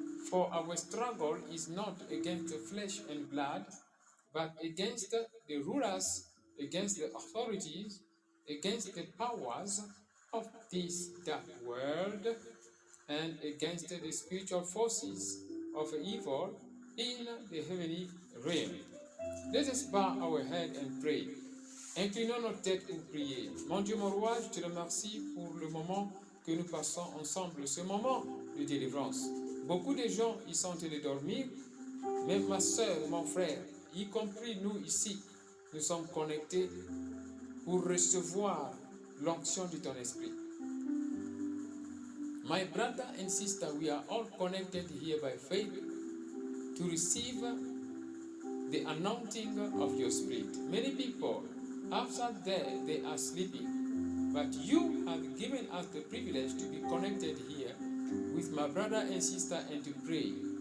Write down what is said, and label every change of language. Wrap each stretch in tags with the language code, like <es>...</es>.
<en>For our struggle is not against flesh and blood, but against the rulers, against the authorities, against the powers of this dark world, and against the spiritual forces of evil in the heavenly realm. Let us bow our head and pray.</en> <fr>Inclinons nos têtes pour prier. Mon Dieu, mon roi, je te remercie pour le moment que nous passons ensemble, ce moment de délivrance. Beaucoup de gens y sont allés dormir, même ma soeur, mon frère, y compris nous ici. nous sommes connectés pour recevoir l'onction de ton esprit.</fr> <en>My brother and sister, we are all connected here by faith to receive the anointing of your spirit. Many people, after that, they are sleeping. But you have given us the privilege to be connected here with my brother and sister and to pray.</en>